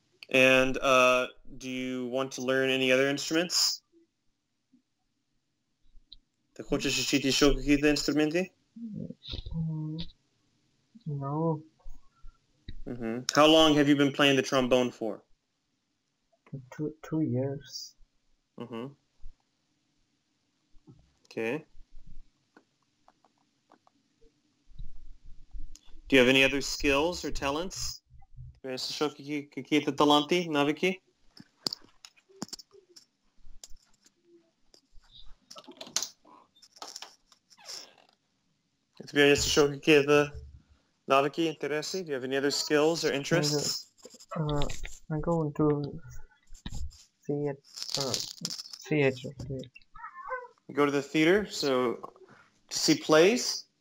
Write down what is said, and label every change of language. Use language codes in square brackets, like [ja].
[en] And do you want to learn any other instruments? [ru] Ты хочешь учить еще какие-то инструменты? [en] No. Mm-hmm. How long have you been playing the trombone for? Two years. Mm-hmm. Okay. Do you have any other skills or talents? [ru] Какие-то таланты, навыки? Тебе есть еще какие-то навыки, интересы? [en] Do you have any other skills or interests? I'm going to theater. Go to the theater, so to see plays?